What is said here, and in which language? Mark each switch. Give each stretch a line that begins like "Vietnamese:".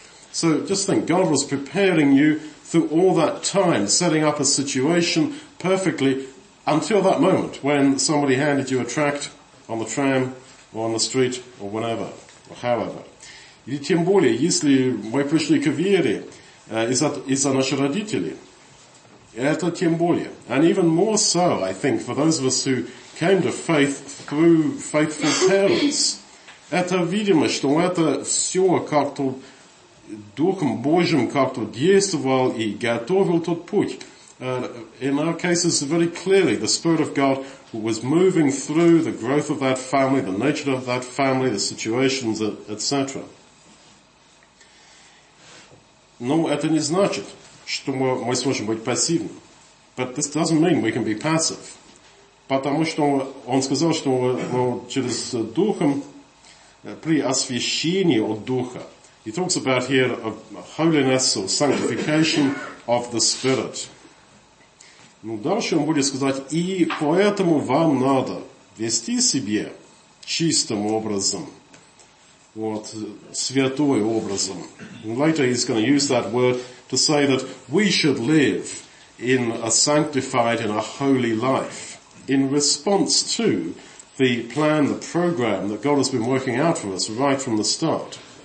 English: So, just think, God was preparing you through all that time, setting up a situation perfectly until that moment when somebody handed you a tract on the tram or on the street or whenever, or however.
Russian: И тем более, если мы пришли к вере из-за наших родителей, это тем более.
English: And even more so, I think, for those of us who came to faith through faithful parents,
Russian: это видимо, что это все как-то Духом Божьим как-то действовал и готовил тот путь.
English: In our cases, very clearly, the Spirit of God was moving through the growth of that family, the nature of that family, the situations, etc.
Russian: Но это не значит, что мы сможем быть пассивным.
English: But this doesn't mean we can be passive.
Russian: Потому что он сказал, что через Духом, при освящении от Духа,
English: he talks about here of holiness or sanctification of the Spirit.
Russian: Ну, дальше он будет сказать, и поэтому вам надо вести себя чистым образом, вот, святой образом.
English: And later he's going to use that word to say that we should live in a sanctified and a holy life in response to the plan, the program that God has been working out for us right from the start.